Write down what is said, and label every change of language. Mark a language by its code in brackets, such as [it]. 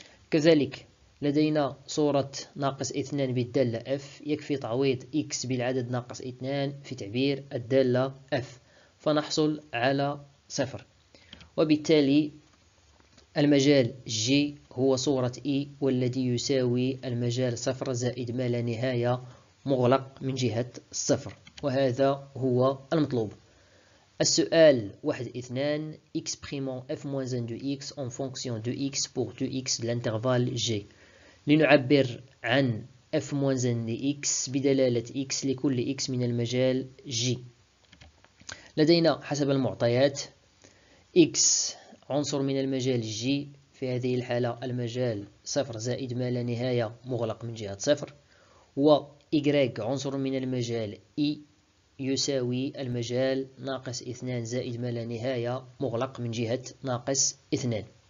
[ar] كذلك لدينا صورة ناقص 2 بالدالة f، يكفي تعويض x بالعدد ناقص 2 في تعبير الدالة f، فنحصل على 0. وبالتالي المجال جي هو صورة اي والذي يساوي المجال صفر زائد ما لا نهاية مغلق من جهة الصفر، وهذا هو المطلوب. [fr] السؤال 1-2 exprimant f moins 1 de x en fonction de x pour de x de l'intervalle g. [ar] لنعبر عن [fr] f moins 1 de x [ar] بدلالة x لكل x من المجال g. لدينا حسب المعطيات x عنصر من المجال g، في هذه الحالة المجال صفر زائد ما لا نهاية مغلق من جهة صفر، و y عنصر من المجال e يساوي المجال ناقص 2 زائد ما لا نهاية مغلق من جهة ناقص 2.